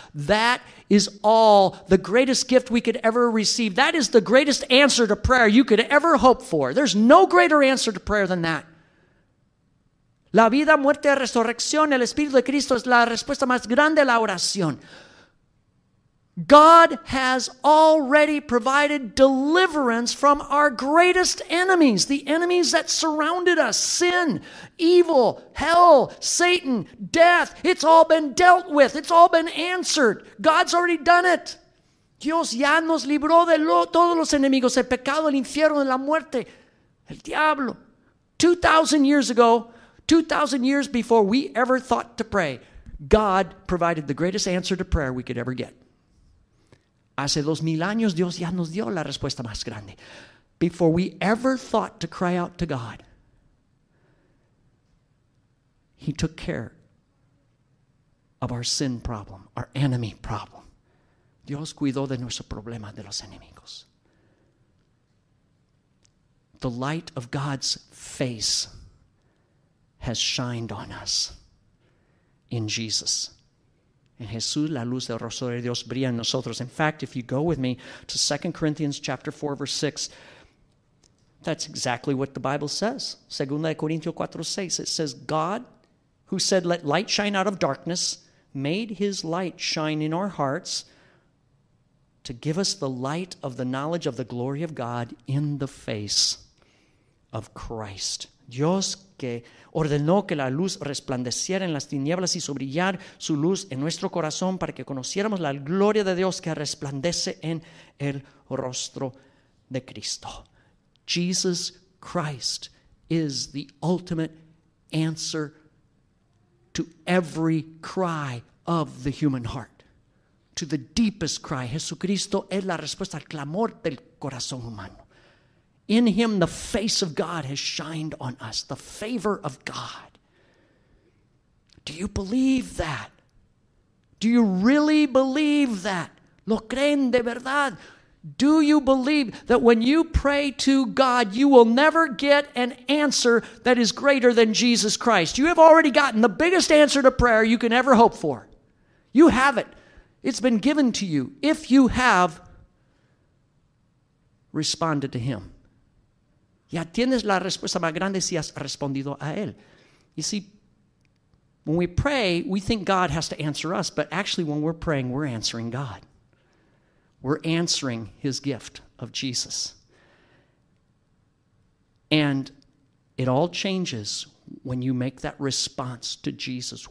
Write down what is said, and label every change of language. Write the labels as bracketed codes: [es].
[en] That is all the greatest gift we could ever receive. That is the greatest answer to prayer you could ever hope for. There's no greater answer to prayer than that. [es] La vida, muerte, resurrección, el Espíritu de Cristo es la respuesta más grande a la oración. [en] God has already provided deliverance from our greatest enemies, the enemies that surrounded us, sin, evil, hell, Satan, death. It's all been dealt with. It's all been answered. God's already done it. [es] Dios ya nos libró de todos los enemigos, el pecado, el infierno, la muerte, el diablo. [en] 2,000 years ago, 2,000 years before we ever thought to pray, God provided the greatest answer to prayer we could ever get. [es] Hace 2,000 años, Dios ya nos dio la respuesta más grande. [en] Before we ever thought to cry out to God, he took care of our sin problem, our enemy problem. [es] Dios cuidó de nuestro problema de los enemigos. [en] The light of God's face has shined on us in Jesus. [es] En Jesús, la luz del rostro de Dios brilla en nosotros. [en] In fact, if you go with me to 2 Corinthians chapter 4, verse 6, that's exactly what the Bible says. [es] Segunda de Corintios 4, 6, [en] it says, God, who said, let light shine out of darkness, made his light shine in our hearts to give us the light of the knowledge of the glory of God in the face of Christ. [es] Dios que ordenó que la luz resplandeciera en las tinieblas y sobrillar su luz en nuestro corazón para que conociéramos la gloria de Dios que resplandece en el rostro de Cristo. [en] Jesus Christ is the ultimate answer to every cry of the human heart, to the deepest cry. [es] Jesucristo es la respuesta al clamor del corazón humano. [en] In him, the face of God has shined on us, the favor of God. Do you believe that? Do you really believe that? [es] ¿Lo creen de verdad? [en] Do you believe that when you pray to God, you will never get an answer that is greater than Jesus Christ? You have already gotten the biggest answer to prayer you can ever hope for. You have it. It's been given to you if you have responded to him. [es] Ya tienes la respuesta más grande si has respondido a él. [en] You see, when we pray, we think God has to answer us, but actually when we're praying, we're answering God. We're answering his gift of Jesus. And it all changes when you make that response to Jesus.